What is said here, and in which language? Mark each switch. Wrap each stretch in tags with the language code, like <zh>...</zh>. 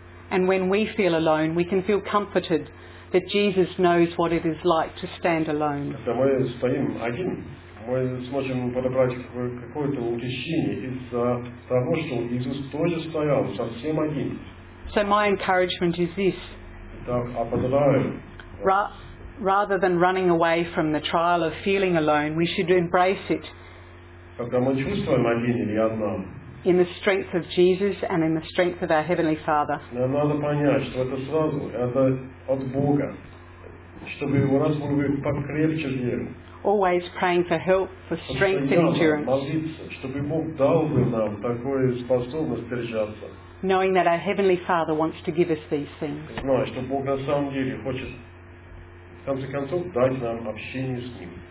<en>And when we feel alone, we can feel comforted that Jesus knows what it is like to stand alone.</en> <ru>Когда мы стоим один, мы сможем подобрать какое-то утешение из того, что Иисус тоже стоял совсем один.</ru> <en>So my encouragement is this.</en> <ru>Итак, ободряю.</ru> <en>Rather than running away from the trial of feeling alone, we should embrace it.</en> <ru>Когда мы чувствуем один или одна.</ru> <en>In the strength of Jesus and in the strength of our Heavenly Father.</en> <ru>Нам надо понять, что это сразу, это от Бога, чтобы у нас могли покрепче веру.</ru> <en>Always praying for help, for strength and endurance.</en> <ru>Молиться, чтобы Бог дал бы нам такую способность держаться.</ru> <en>Knowing that our Heavenly Father wants to give us these things.</en> <ru>Знаю, что Бог на самом деле хочет, в конце концов, дать нам общение с Ним.</ru>